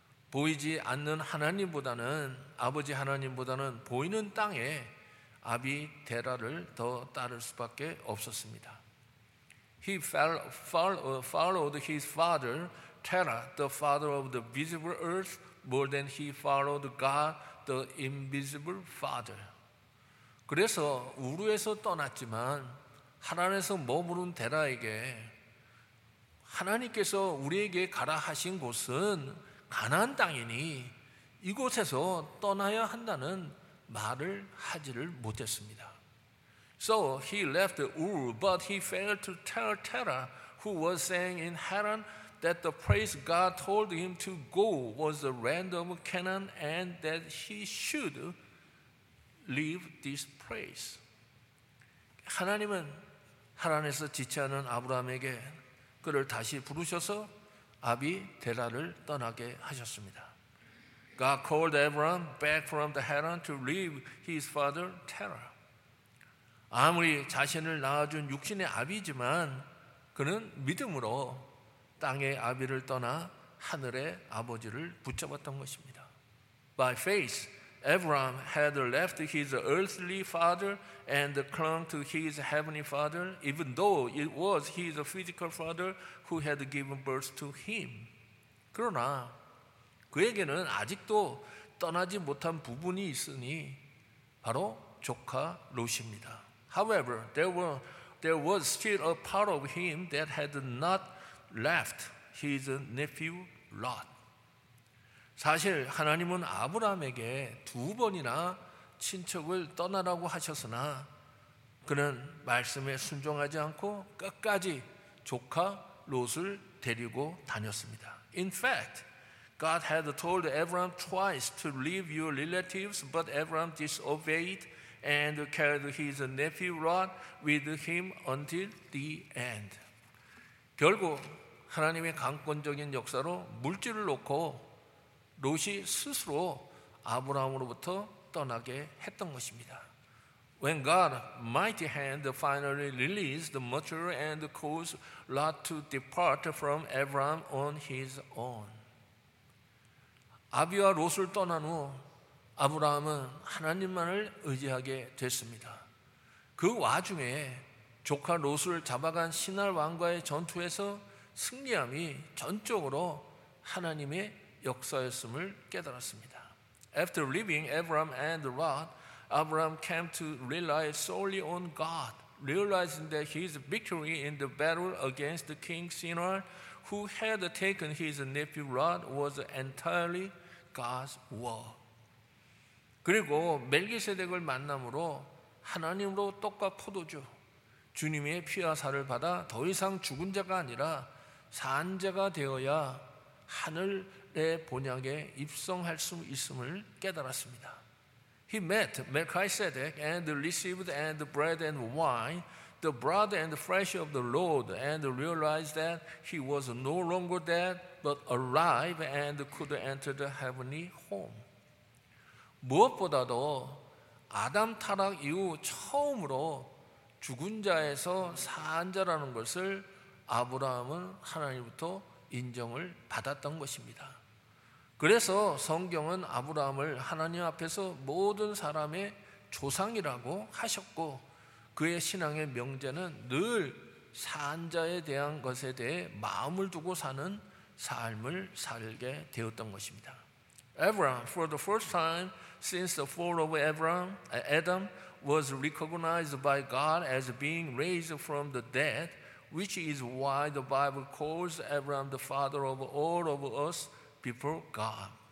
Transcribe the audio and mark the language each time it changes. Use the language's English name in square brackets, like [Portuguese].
[Korean] 보이지 않는 하나님보다는 아버지 하나님보다는 보이는 땅에 아비 데라를 더 따를 수밖에 없었습니다. [English] He followed his father Terah, the father of the visible earth, more than he followed God, the invisible father. [Korean] 그래서 우르에서 떠났지만 하란에서 머무른 데라에게 하나님께서 우리에게 가라 하신 곳은 가나안 땅이니 이곳에서 떠나야 한다는 말을 하지를 못했습니다. [English] So he left Ur, but he failed to tell Terah, who was saying in Haran, that the place God told him to go was the land of Canaan and that he should leave this place. [Korean] 하나님은 하란에서 지체하는 아브라함에게 그를 다시 부르셔서 아비 데라를 떠나게 하셨습니다. [English] God called Abraham back from the Haran to leave his father Terah. [Korean] 아무리 자신을 낳아준 육신의 아비지만 그는 믿음으로 땅의 아비를 떠나 하늘의 아버지를 붙잡았던 것입니다. [English] By faith, Abraham had left his earthly father and clung to his heavenly father, even though it was his physical father who had given birth to him. [Korean] 그러나 그에게는 아직도 떠나지 못한 부분이 있으니 바로 조카 롯입니다. [English] However, there was still a part of him that had not left his nephew Lot. [Korean] 사실 하나님은 아브라함에게 두 번이나 친척을 떠나라고 하셨으나 그는 말씀에 순종하지 않고 끝까지 조카 롯을 데리고 다녔습니다. [English] In fact, God had told Abraham twice to leave your relatives, but Abraham disobeyed and carried his nephew Lot with him until the end. [Korean] 결국 하나님의 강권적인 역사로 물질을 놓고 롯이 스스로 아브라함으로부터 떠나게 했던 것입니다. [English] When God mighty hand finally released the mature and caused Lot to depart from Abraham on his own. [Korean] 아비와 롯을 떠난 후 아브라함은 하나님만을 의지하게 됐습니다. 그 와중에 조카 롯을 잡아간 시날 왕과의 전투에서 승리함이 전적으로 하나님의 역사였음을 깨달았습니다. [English] After leaving Abraham and Lot, Abraham came to rely solely on God, realizing that his victory in the battle against King Sinar, who had taken his nephew Lot, was entirely God's work. [Korean] 그리고 멜기세덱을 만남으로 하나님으로 떡과 포도주, 주님의 피와 살을 받아 더 이상 죽은 자가 아니라 산 자가 되어야 하늘 내 본향에 입성할 수 있음을 깨달았습니다. [English] He met Melchizedek and received and bread and wine, the blood and flesh of the Lord, and realized that he was no longer dead but alive and could enter the heavenly home. [Korean] 무엇보다도 아담 타락 이후 처음으로 죽은 자에서 산 자라는 것을 아브라함은 하나님부터 인정을 받았던 것입니다. 그래서 성경은 아브라함을 하나님 앞에서 모든 사람의 조상이라고 하셨고 그의 신앙의 명제는 늘 산 자에 대한 것에 대해 마음을 두고 사는 삶을 살게 되었던 것입니다. [English] Abraham, for the first time since the fall of Adam, was recognized by God as being raised from the dead, which is why the Bible calls Abraham the father of all of us before God.